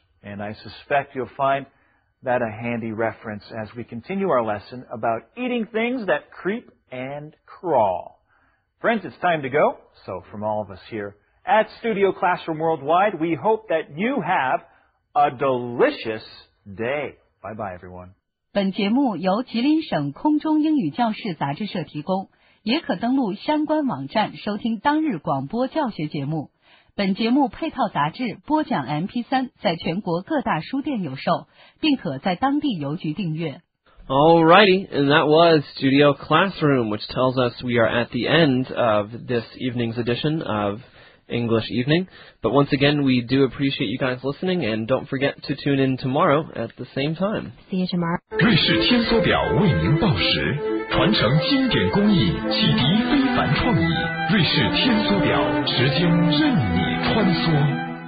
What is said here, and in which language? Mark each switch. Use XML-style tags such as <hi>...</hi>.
<en>And I suspect you'll find that a handy reference as we continue our lesson about eating things that creep and crawl. Friends, it's time to go. So from all of us here at Studio Classroom Worldwide, we hope that you have a delicious day. Bye-bye, everyone.</en> <zh>本节目由吉林省空中英语教室杂志社提供。也可登录相关网站收听当日广播教学节目。本节目配套杂志播讲 MP3 在全国各大书店有售，并可在当地邮局订阅。</zh> <en>Alrighty, and that was Studio Classroom, which tells us we are at the end of this evening's edition of English evening. But once again, we do appreciate you guys listening, and don't forget to tune in tomorrow at the same time. See you tomorrow.</en> <zh>瑞士天梭表为您报时，传承经典工艺，启迪非凡创意。瑞士天梭表，时间任你穿梭。</zh>